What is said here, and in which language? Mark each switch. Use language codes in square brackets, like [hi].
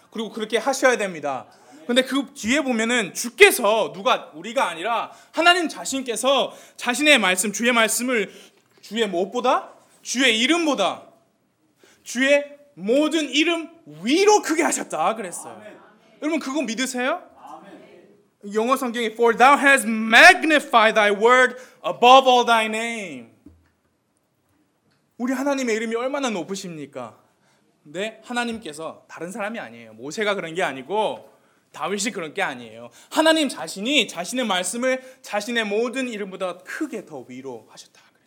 [ko] 그리고 그렇게 하셔야 됩니다. 근데 그 뒤에 보면은 주께서 누가 우리가 아니라 하나님 자신께서 자신의 말씀 주의 말씀을 주의 무엇보다? 주의 이름보다 주의 모든 이름 위로 크게 하셨다 그랬어요. 아멘. 여러분 그거 믿으세요? 아멘. 영어 성경에 [en] For thou hast magnified thy word above all thy name. [ko] 우리 하나님의 이름이 얼마나 높으십니까? 근데 하나님께서 다른 사람이 아니에요. 모세가 그런 게 아니고 다윗이 그런 게 아니에요. 하나님 자신이 자신의 말씀을 자신의 모든 이름보다 크게 더 위로 하셨다.